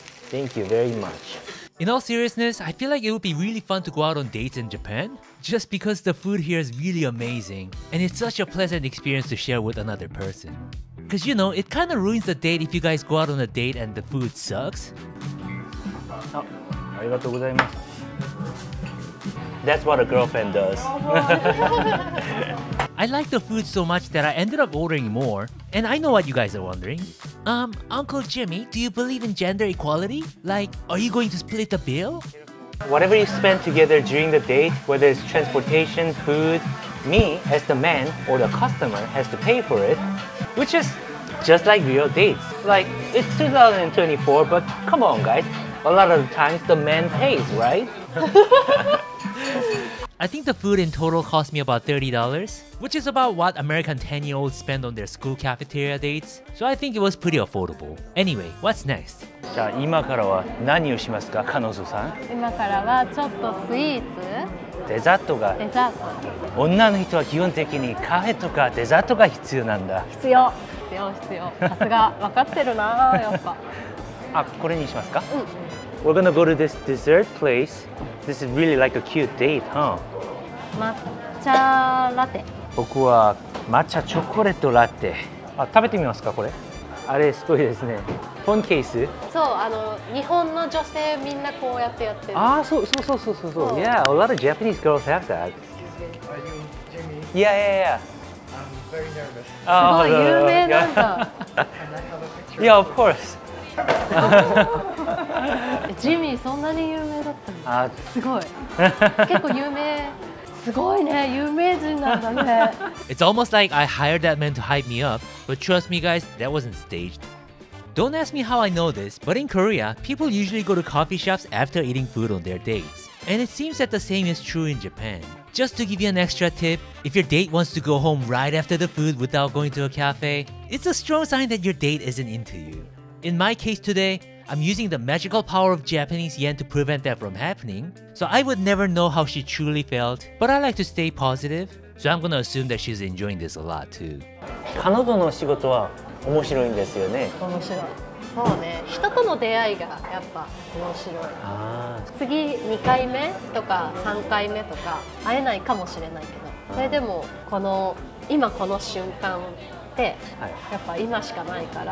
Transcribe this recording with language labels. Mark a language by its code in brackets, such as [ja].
[en] Thank you very much. In all seriousness, I feel like it would be really fun to go out on dates in Japan, just because the food here is really amazing, and it's such a pleasant experience to share with another person. Cause you know, it kind of ruins the date if you guys go out on a date and the food sucks. [ja] Ah, ありがとうございます。 [en] That's what a girlfriend does. I like the food so much that I ended up ordering more. And I know what you guys are wondering. Uncle Jimmy, do you believe in gender equality? Like, are you going to split the bill? Whatever you spend together during the date, whether it's transportation, food, me as the man or the customer has to pay for it. Which is just like real dates. Like, it's 2024, but come on guys. A lot of the times the man pays, right? I think the food in total cost me about $30, which is about what American 10-year-olds spend on their school cafeteria dates. So I think it was pretty affordable. Anyway, what's next? [ja] じゃあ今からは何をしますか、彼女さん？今からはちょっとスイーツ？デザートが。デザート。女の人は基本的にカフェとかデザートが必要なんだ。必要。さすが、分かってるな、やっぱ。あ、これにしますか？うん。 [en] We're gonna go to this dessert place. This is really like a cute date, huh? Matcha latte. [ja] 僕は抹茶チョコレートラテ。あ、食べてみますかこれ。あれすごいですね。フォンケース。そう、あの日本の女性みんなこうやってやってる。あ、そう。Oh. [en] Yeah, a lot of Japanese girls have that. Excuse me, are you Jimmy? Yeah, yeah, yeah. I'm very nervous. すごい有名なんだ。 Can I have a picture? Yeah, of course. [ja] ジミーそんなに有名だったの。あ、すごい。結構有名。すごいね、有名人なんだね。 [en] It's almost like I hired that man to hype me up, but trust me guys, that wasn't staged. Don't ask me how I know this, but in Korea, people usually go to coffee shops after eating food on their dates. And it seems that the same is true in Japan. Just to give you an extra tip, if your date wants to go home right after the food without going to a cafe, it's a strong sign that your date isn't into you. In my case today,I'm using the magical power of Japanese yen to prevent that from happening. So I would never know how she truly felt, but I like to stay positive. So I'm gonna assume that she's enjoying this a lot too. [ja] 彼女の仕事は面白いんですよね。面白い。そうね。人との出会いがやっぱ面白い。あ、次2回目とか3回目とか会えないかもしれないけど、それでもこの今この瞬間ってやっぱ今しかないから。